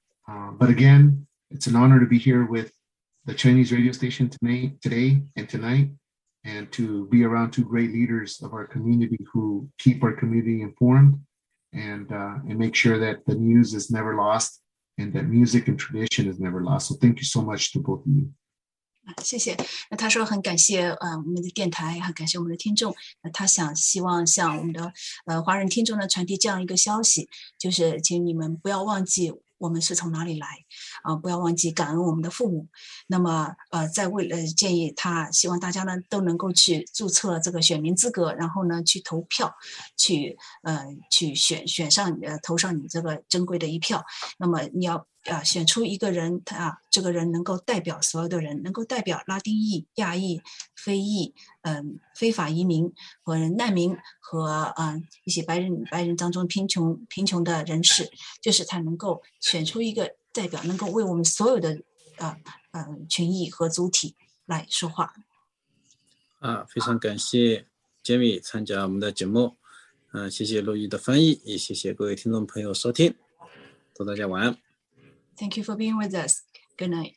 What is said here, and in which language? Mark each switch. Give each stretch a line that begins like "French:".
English: But again, it's an honor to be here with the Chinese radio station today and tonight, and to be around two great leaders of our community who keep our community informed and make sure that the news is never lost and that music and tradition is never lost. So thank you so much to both of you.
Chinese: 谢谢。那他说很感谢我们的电台，很感谢我们的听众。那他想希望向我们的华人听众呢传递这样一个消息，就是请你们不要忘记我们是从哪里来，不要忘记感恩我们的父母。那么在为了建议他，希望大家呢都能够去注册这个选民资格，然后呢去投票，去选上投上你这个珍贵的一票。那么你要选出一个人，他这个人能够代表所有的人，能够代表拉丁裔、亚裔、非裔、非法移民和难民和一些白人当中贫穷的人士，就是他能够选出一个代表，能够为我们所有的群裔和族体来说话。非常感谢 Jimmy 参加我们的节目，谢谢陆毅的翻译，也谢谢各位听众朋友收听，祝大家晚安。
English: Thank you for being with us. Good night.